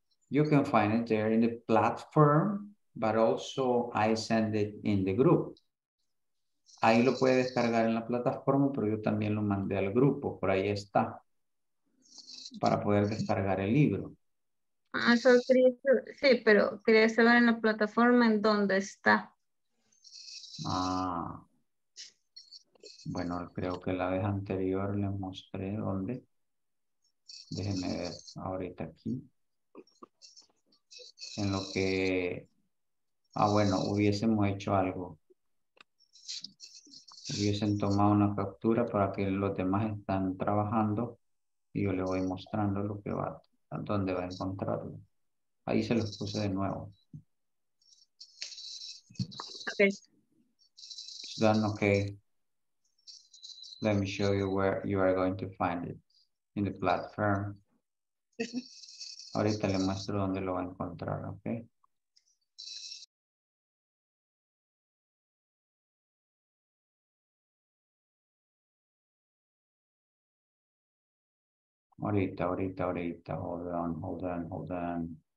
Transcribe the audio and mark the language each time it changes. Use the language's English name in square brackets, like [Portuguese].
[English] You can find it there in the platform, but also I send it in the group. [Spanish] Ahí lo puede descargar en la plataforma, pero yo también lo mandé al grupo. Por ahí está. Para poder descargar el libro. Ah, eso quería, sí, pero quería saber en la plataforma en dónde está. Ah. Bueno, creo que la vez anterior le mostré dónde. Déjenme ver ahorita aquí. En lo que... Ah, bueno, hubiésemos hecho algo. Hubiesen tomado una captura para que los demás están trabajando. Y yo le voy mostrando lo que va, a dónde va a encontrarlo. Ahí se los puse de nuevo. Ok. [English] Is that okay? Let me show you where you are going to find it. In the platform. [Spanish] Ahorita le muestro dónde lo va a encontrar, ok. [English] Ahorita, hold on.